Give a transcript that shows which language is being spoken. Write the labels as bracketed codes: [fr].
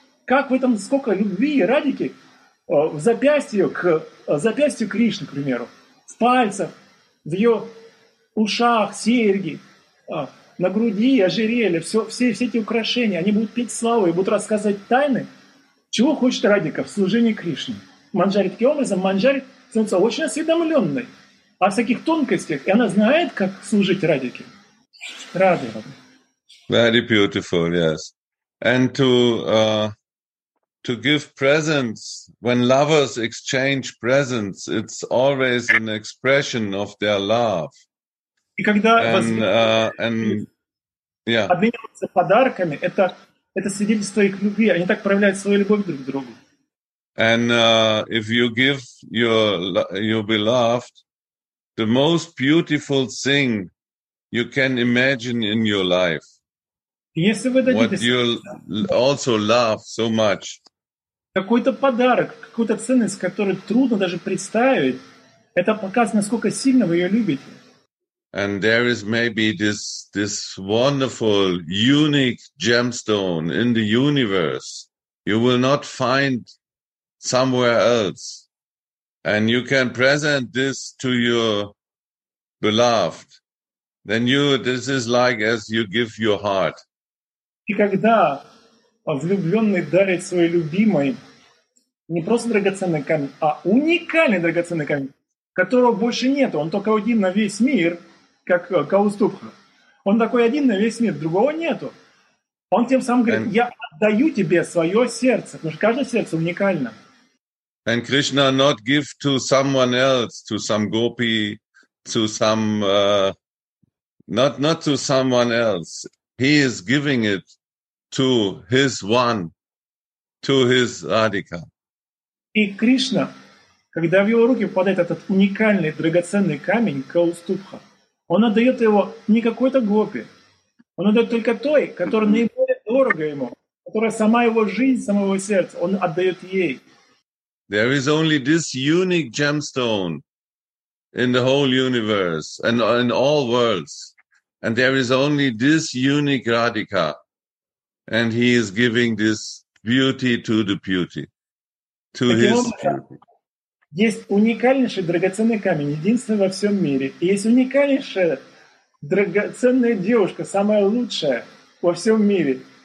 [ru] Как в этом, сколько любви Радхики в запястье, к запястью Кришны, к примеру, в пальцах, в ее ушах, серьги, на груди, ожерелье, все эти украшения, они будут петь славу и будут рассказывать тайны, чего хочет Радхика в служении Кришне. Манджари таким образом, Манджари становится очень осведомленной о всяких тонкостях, и она знает, как служить Радхике. Рады. [en] Very beautiful, yes. And to give presents, when lovers exchange presents, it's always an expression of their love. [ru] И когда обмениваются подарками, это свидетельство их любви. Они так проявляют свою любовь друг к другу. [en] And if you give your beloved the most beautiful thing you can imagine in your life, what you also love so much, [ru] какой-то подарок, какую-то ценность, которую трудно даже представить, это показывает, насколько сильно вы ее любите. [en] And there is maybe this wonderful, unique gemstone in the universe. You will not find somewhere else, and you can present this to your beloved. then you, this is like as you give your heart. [ru] И когда влюбленный дарит своей любимой не просто драгоценный камень, а уникальный драгоценный камень, которого больше нет, он только один на весь мир, как Каустубха. Он такой один на весь мир, другого нету. Он тем самым говорит, я отдаю тебе свое сердце, потому что каждое сердце уникально. [en] And Krishna not give to someone else, to some gopi, to some, not to someone else. He is giving it to his one, to his Radhika. [ru] И Кришна, когда в его руки попадает этот уникальный, драгоценный камень, Каустубха, он отдает его не какой-то гопи, он отдает только той, которая наиболее дорога ему, которая сама его жизнь, само его сердце, он отдает ей. [en] There is only this unique gemstone in the whole universe and in all worlds. And there is only this unique Radhika. And he is giving this beauty to the beauty. To his beauty. [ru] Есть уникальнейший драгоценный камень, единственный во всем мире. И есть уникальнейшая драгоценная девушка, самая лучшая во всем мире.